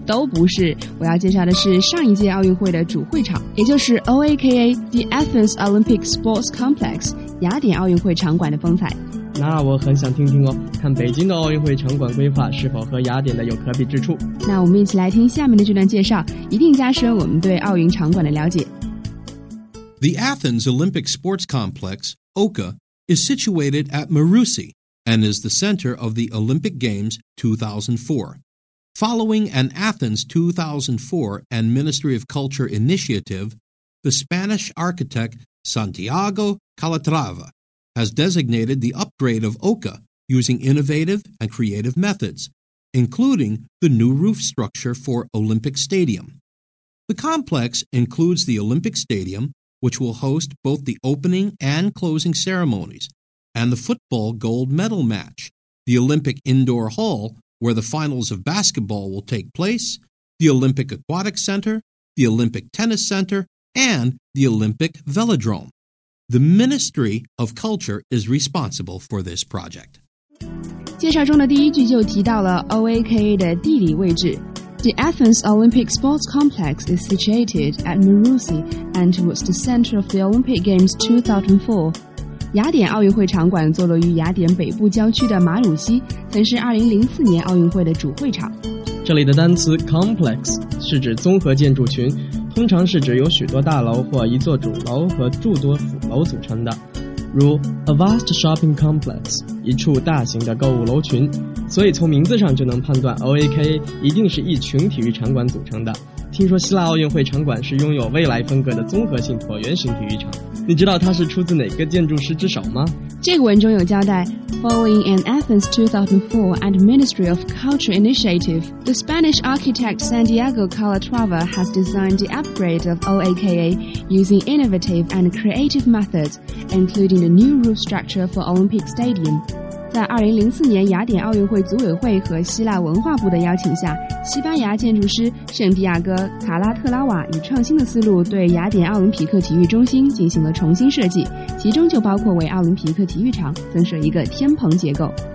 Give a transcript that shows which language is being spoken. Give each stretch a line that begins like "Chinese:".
Chinese: 都不是，我要介绍的是上一届奥运会的主会场，也就是 OAKA The Athens Olympic Sports Complex 雅典奥运会场馆的风采。那我很想听听哦，看北京的奥运会场馆规划是否和雅典的有可比之处。那我们一起来听下面的这段介绍，一定加深我们对奥运场馆的了解。
English: The Athens Olympic Sports Complex, OKA, is situated at Marousi. And is the center of the Olympic Games 2004. Following an Athens 2004 and Ministry of Culture initiative, the Spanish architect Santiago Calatrava has designated the upgrade of OKA using innovative and creative methods, including the new roof structure for Olympic Stadium. The complex includes the Olympic Stadium, which will host both the opening and closing ceremonies,and the football gold medal match, the Olympic Indoor Hall, where the finals of basketball will take place, the Olympic Aquatic Center, the Olympic Tennis Center, and the Olympic Velodrome. The Ministry of Culture is responsible for this project.
Chinese: 介绍中的第一句就提到了 OAKA 的地理位置。
English: The Athens Olympic Sports Complex is situated at Marousi and was the center of the Olympic Games 2004.
Chinese: 雅典奥运会场馆坐落于雅典北部郊区的马鲁西，曾是2004年奥运会的主会场。这里的单词 complex 是指综合建筑群，通常是指有许多大楼或一座主楼和诸多辅楼组成的，如
English: a vast shopping complex，
Chinese: 一处大型的购物楼群。所以从名字上就能判断 OAKA 一定是一群体育场馆组成的。听说希腊奥运会场馆是拥有未来风格的综合性椭圆形体育场，你知道它是出自哪个建筑师之手吗？这个文中有交代，
English: Following an Athens 2004 and Ministry of Culture initiative, the Spanish architect Santiago Calatrava has designed the upgrade of OAKA using innovative and creative methods, including the new roof structure for Olympic Stadium.
Chinese: 在2004年雅典奥运会组委会和希腊文化部的邀请下，西班牙建筑师圣地亚哥·卡拉特拉瓦以创新的思路对雅典奥林匹克体育中心进行了重新设计，其中就包括为奥林匹克体育场增设一个天棚结构。